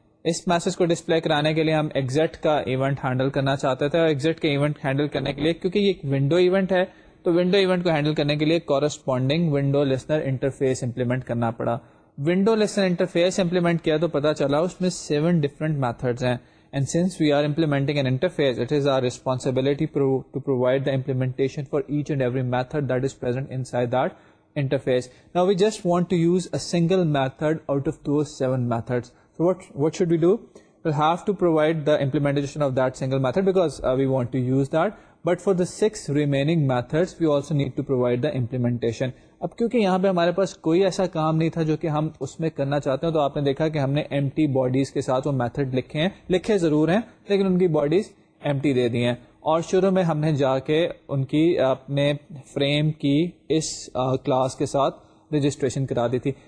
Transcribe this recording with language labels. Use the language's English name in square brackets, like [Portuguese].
[Urdu] اس message کو display کرانے کے لیے ہم ایگزٹ کا ایونٹ ہینڈل کرنا چاہتے تھے, اور ایگزٹ کے ایونٹ ہینڈل کرنے کے لیے کیونکہ یہ ایک ونڈو ایونٹ ہے تو ونڈو ایونٹ کو ہینڈل کرنے کے لیے corresponding window listener interface implement کرنا پڑا. ونڈو لسنر انٹرفیس امپلیمنٹ کیا تو پتا چلا اس میں 7 ڈفرنٹ میتھڈز ہیں. [English] And since we are implementing an interface, it is our responsibility to provide the implementation for each and every method that is present inside that interface. Now we just want to use a single method out of those 7 methods. So what should we do? We'll have to provide the implementation of that single method because we want to use that. But for the 6 remaining methods, we also need to provide the implementation. [Urdu] اب کیونکہ یہاں پہ ہمارے پاس کوئی ایسا کام نہیں تھا جو کہ ہم اس میں کرنا چاہتے ہیں, تو آپ نے دیکھا کہ ہم نے ایمٹی باڈیز کے ساتھ وہ میتھڈ لکھے ہیں. لکھے ضرور ہیں لیکن ان کی باڈیز ایمٹی دے دی ہیں, اور شروع میں ہم نے جا کے ان کی اپنے فریم کی اس کلاس کے ساتھ رجسٹریشن کرا دی تھی.